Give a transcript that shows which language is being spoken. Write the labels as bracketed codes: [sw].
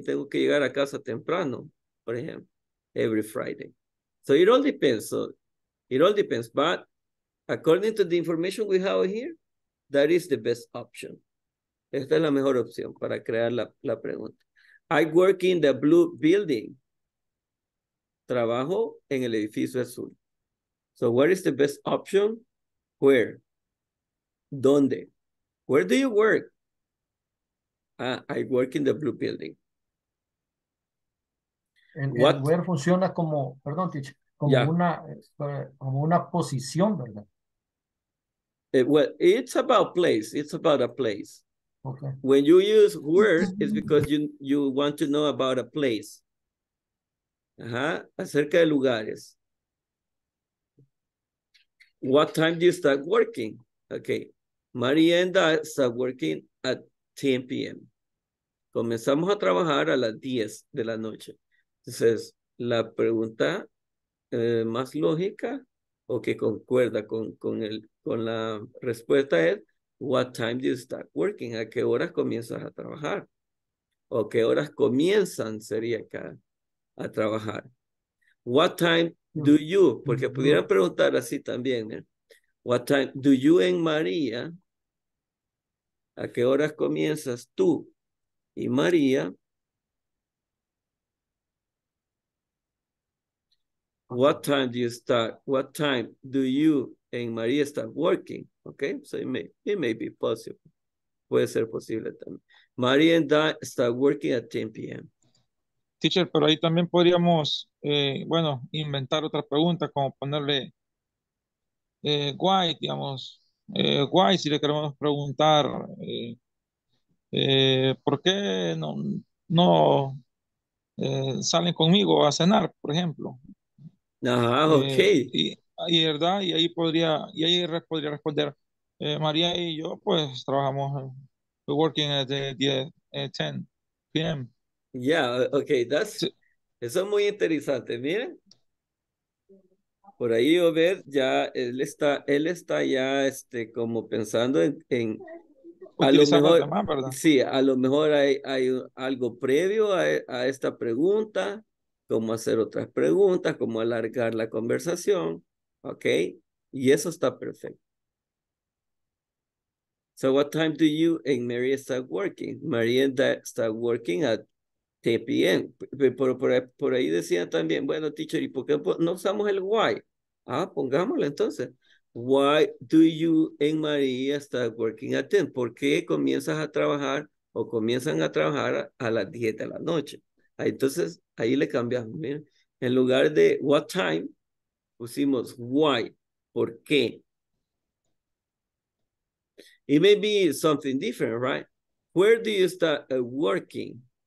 [es] Tengo que llegar a casa temprano, por ejemplo, [en] every Friday. So it all depends. But according to the information we have here, that is the best option. [es] Esta es la mejor opción para crear la pregunta. [en] I work in the blue building. [es] Trabajo en el edificio azul. [en] So what is the best option? Where? ¿Dónde? Where do you work? I work in the blue building. [es] Where funciona como, perdón, teacher, como, yeah. como una posición, ¿verdad? [en] It's about place. It's about a place. Okay. When you use where, it's because you want to know about a place. [es] Uh-huh. Acerca de lugares. [en] What time do you start working? Okay. Maria and I start working at 10 p.m. [es] Comenzamos a trabajar a las 10 de la noche. Entonces, la pregunta más lógica o que concuerda con la respuesta es, [en] what time do you start working? [es] ¿A qué horas comienzas a trabajar? ¿O qué horas comienzan? Sería acá. a trabajar. [en] What time do you, [es] porque pudieran preguntar así también, ¿eh? [en] What time do you and María, [es] ¿a qué horas comienzas tú y María? [en] What time do you start? What time do you and María start working? Okay, so it may be possible. [es] Puede ser posible también. [en] María and I start working at 10 p.m. [es] Teacher, pero ahí también podríamos, bueno, inventar otra pregunta, como ponerle why, digamos. Why, si le queremos preguntar, ¿por qué no salen conmigo a cenar, por ejemplo? Ajá, ok. Y verdad, y ahí podría, y ahí podría responder, María y yo, pues, trabajamos, [en] we're working at 10 p.m. [es] Yeah, okay, eso es muy interesante, miren. Por ahí Obed ya él está ya como pensando en a lo mejor, tema, sí, a lo mejor hay algo previo a esta pregunta, cómo hacer otras preguntas, cómo alargar la conversación, okay, y eso está perfecto. [en] So what time do you and Mary start working? Mary and Dad start working at 10 p.m. [es] Por ahí decían también, bueno, teacher, ¿y por qué no usamos el why? Ah, pongámoslo entonces. [en] Why do you and María start working at 10? [es] ¿Por qué comienzas a trabajar o comienzan a trabajar a las 10 de la noche? Entonces, ahí le cambiamos. Miren, en lugar de what time, pusimos why, ¿por qué? [en] It may be something different, right? Where do you start working?